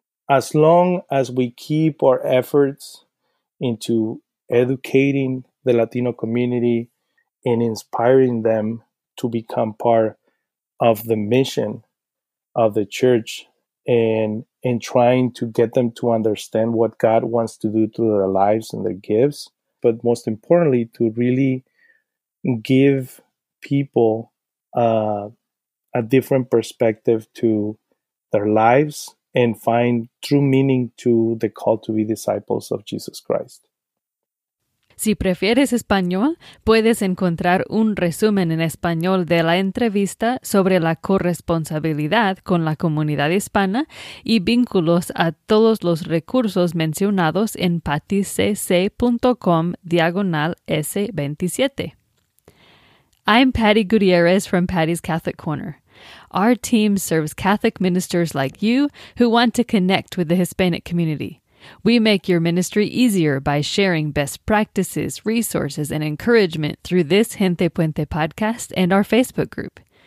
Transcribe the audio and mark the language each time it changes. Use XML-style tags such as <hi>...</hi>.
<en>As long as we keep our efforts into educating the Latino community and inspiring them to become part of the mission of the church and trying to get them to understand what God wants to do through their lives and their gifts, but most importantly, to really give people a different perspective to their lives and find true meaning to the call to be disciples of Jesus Christ.</en> <es>Si prefieres español, puedes encontrar un resumen en español de la entrevista sobre la corresponsabilidad con la comunidad hispana y vínculos a todos los recursos mencionados en pattycc.com/S27.</es> <en>I'm Patty Gutierrez from Patty's Catholic Corner. Our team serves Catholic ministers like you who want to connect with the Hispanic community. We make your ministry easier by sharing best practices, resources, and encouragement through this Gente Puente podcast and our Facebook group.</en>